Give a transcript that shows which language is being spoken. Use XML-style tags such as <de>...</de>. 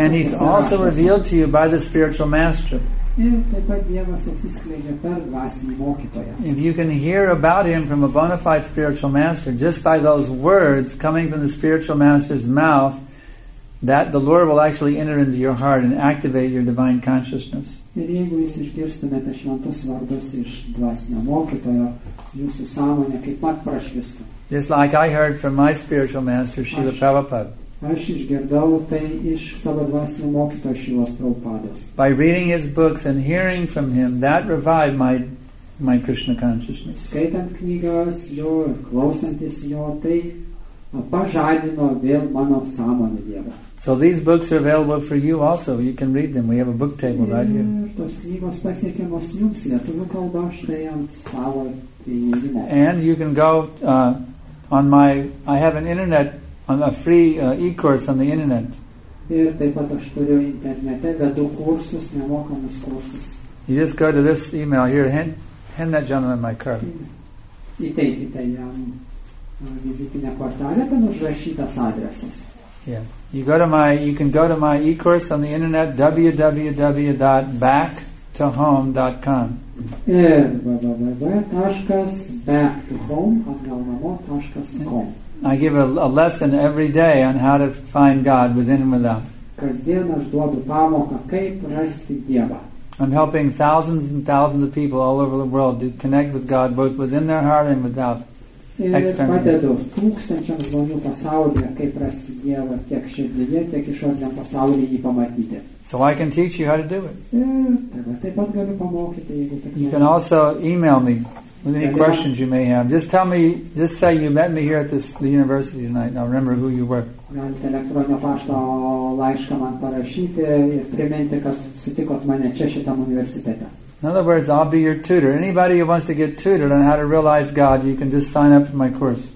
<en>And he's also revealed to you by the spiritual master. If you can hear about him from a bona fide spiritual master, just by those words coming from the spiritual master's mouth, that the Lord will actually enter into your heart and activate your divine consciousness.</en> <lt>Ir jeigu jūs išgirstumėte šventus vardus iš dvasinio mokytojo, jūsų sąmonė kaip pat prašvistų.</lt> <en>Just like I heard from my spiritual master, Srila Prabhupada.</en> <lt>Aš išgirdau tai iš savo dvasinio mokyto Šilos Prabhupados.</lt> <en>By reading his books and hearing from him, that revived my Krishna consciousness.</en> <lt>Skaitant knygas jo ir klausantis jo, tai pažadino vėl mano sąmonę Dievą.</lt> <en>So these books are available for you also. You can read them. We have a book table right here.</en> <lt>Tos knygos pasiekiamos jums lietuvių kalba štai ant stalo.</lt> <en>And you can go on my... I have an internet... on a free e-course on the internet.</en> <lt>Ir taip pat aš turiu internete, vedu kursus, nemokamus kursus.</lt> <en>You just go to this email here, hand that gentleman my card.</en> <lt>Įteikite jam vizitinę kortelę, ten užrašytas adresas.</lt> <en>Yeah. You can go to my e-course on the internet, www.backtohome.com.</en> <lt>Ir www.backtohome.com.</lt> <en>I give a lesson every day on how to find God within and without.</en> <lt>Kasdien aš duodu pamoką, kaip rasti Dievą.</lt> <en>I'm helping thousands and thousands of people all over the world to connect with God both within their heart and without externally.</en> <lt>Ir padedu tūkstančiams žmonių pasaulyje, kaip rasti Dievą tiek širdyje, tiek išorinėm pasaulyje jį pamatyti.</lt> <en>So I can teach you how to do it.</en> <lt>Taip pat galiu pamokyti, jeigu tik.</lt> <en>You can also email me. With any questions you may have, just tell me, just say you met me here at the university tonight, and I'll remember who you were. In other words, I'll be your tutor. Anybody who wants to get tutored on how to realize God, you can just sign up for my course.</en>